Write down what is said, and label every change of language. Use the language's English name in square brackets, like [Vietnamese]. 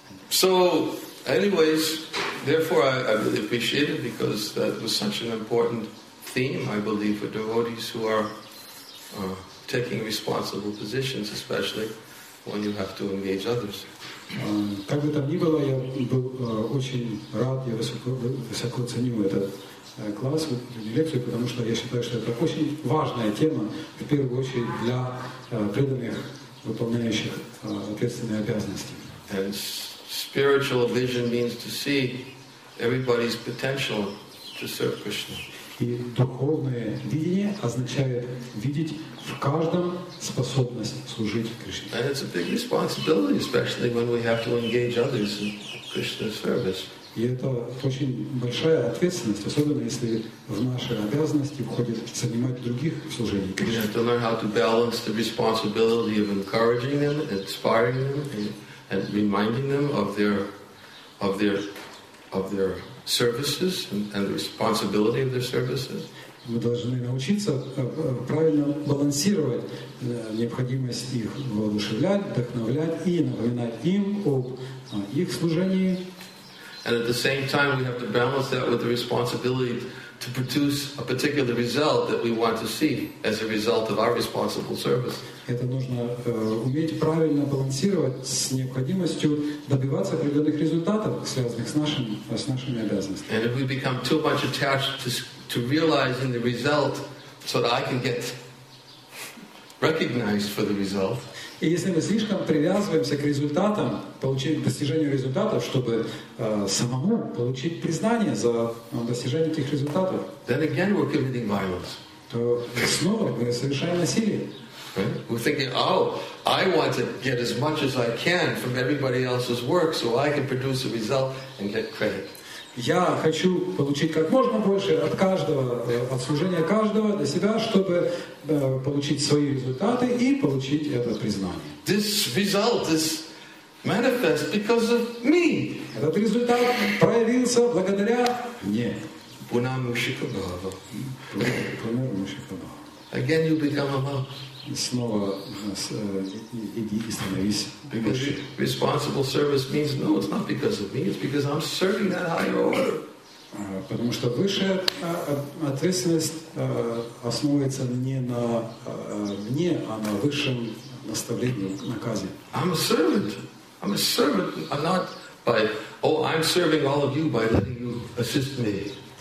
[English] So, anyways, therefore, I really appreciate it because that was such an important theme, I believe, for devotees who are taking responsible positions, especially when you have to engage others. [Russian] Как бы там ни было, я был очень рад, я высоко ценю этот класс, эту лекцию, потому что я считаю, что это очень важная тема, в первую очередь для преданных, выполняющих ответственные обязанности. [English] And spiritual vision means to see everybody's potential to serve Krishna. [Russian] И духовное видение означает видеть в каждом способность служить Кришне. [English] And it's a big responsibility, especially when we have to engage others in Krishna's service. [Russian] И это очень большая ответственность, особенно если в наши обязанности входит занимать других в служении Кришне. [English] We have to learn how to balance the responsibility of encouraging them, inspiring them, and reminding them of their services and the responsibility of their services. [Russian] Мы должны научиться правильно балансировать необходимость их воодушевлять, вдохновлять и напоминать им об их служении. [English] And at the same time, we have to balance that with the responsibility to produce a particular result that we want to see as a result of our responsible service. [Russian] Это нужно уметь правильно балансировать с необходимостью добиваться определенных результатов, связанных с нашими обязанностями. [English] And if we become too much attached to realizing the result so that I can get recognized for the result. [Russian] И если мы слишком привязываемся к результатам, получению, достижению результатов, чтобы самому получить признание за достижение этих результатов, [English] then again we're committing violence. [Russian] То снова мы совершаем насилие. [English] Right? We're thinking, oh, I want to get as much as I can from everybody else's work so I can produce a result and get credit. [Russian] Я хочу получить как можно больше от каждого, от служения каждого для себя, чтобы получить свои результаты и получить это признание. [English] This result is manifest because of me. [Russian] Этот результат проявился благодаря мне. [Sanskrit] Пунармушикабхава. Пунармушикабхава. [English] Again you become a monk. [Russian] Снова иди и становись. [English] Because responsible service means no, it's not because of me, it's because I'm serving that higher order. [Russian] Потому что высшая ответственность основывается не на мне, а на высшем наставлении, наказе. [English] I'm a servant. I'm serving all of you by letting you assist me.